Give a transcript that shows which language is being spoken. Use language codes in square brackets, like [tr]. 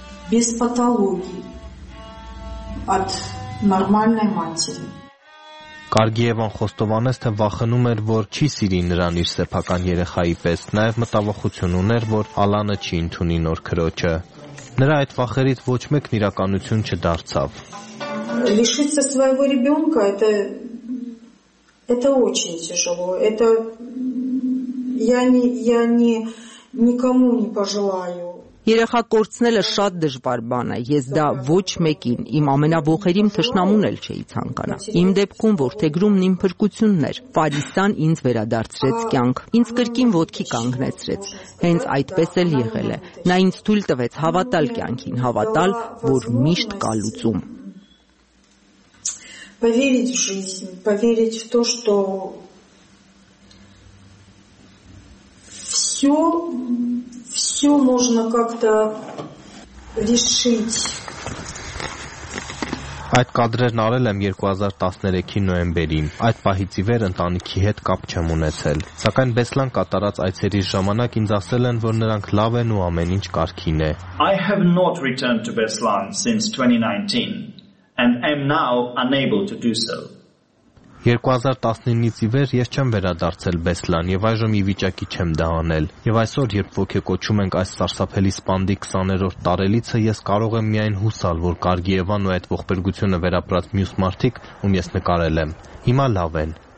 [ru] Без патологии, от нормальной матери. [hy] Կարգիևան Խոստովանես թե վախնում էր, որ չի սիրի նրան իր սեփական երեխայի պես, նաև մտավախություն ուներ, որ Ալանը չի ընդունի նոր քրոջը։ Նրա այդ վախերից ոչ մեկն իրականություն չդարձավ։ [ru] Лишиться своего ребёнка это очень тяжело. Это я не никому не пожелаю. [hy] Երեխա կորցնելը շատ դժվար բան է։ Ես դա ոչ մեկին, իմ ամենաբողերիմ թշնամուն էլ չէի ցանկանա։ Իմ դեպքում որդեգրումն իմ փրկությունն էր։ Փարիսան ինձ վերադարձրեց կյանք։ Ինձ կրկին ոտքի կանգնեցրեց։ Հենց այդպես էլ եղել է։ Նա ինձ թույլ տվեց հավատալ կյանքին, հավատալ, որ միշտ կա լուծում։ [ru] Поверить в жизнь, поверить в то, что всё можно как-то решить. [hy] Այդ կադրերն արել եմ 2013-ի նոյեմբերին։ Այդ պահից ի վեր ընտանիքի հետ կապ չեմ ունեցել։ Սակայն Բեսլան կատարած այցերի ժամանակ ինձ ասել են, որ նրանք լավ են ու ամեն ինչ կարքին է։ [en] I have not returned to Beslan since 2019 and am now unable to do so. [hy] 2019-ից ի վեր ես չեմ վերադարձել Բեսլան եւ այժմ ի վիճակի չեմ դա անել։ Եվ այսօր, երբ ոգեկոչում ենք այս սարսափելի սպանդի 20-րդ տարելիցը, ես կարող եմ միայն հուսալ, որ Կարգիևան ու այդ ողբերգությունը վերապրած մյուս մարդիկ, ում ես նկարել եմ, հիմա լավ են։